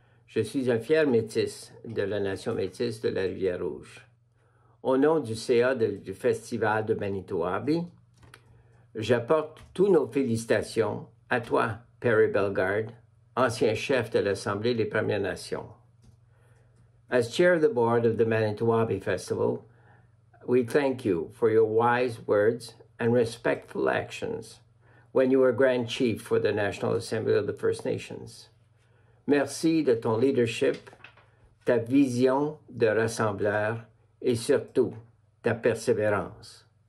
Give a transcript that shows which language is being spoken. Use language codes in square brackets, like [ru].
[fr] Je suis un fier métis de la nation métisse de la Rivière-Rouge. Au nom du CA du Festival de Manitowabi, j'apporte toutes nos félicitations à toi, Perry Bellegarde, ancien chef de l'Assemblée des Premières Nations. [en] As chair of the board of the Manitowabi Festival, we thank you for your wise words and respectful actions when you were Grand Chief for the National Assembly of the First Nations. [fr] Merci de ton leadership, ta vision de rassembleur et surtout ta persévérance.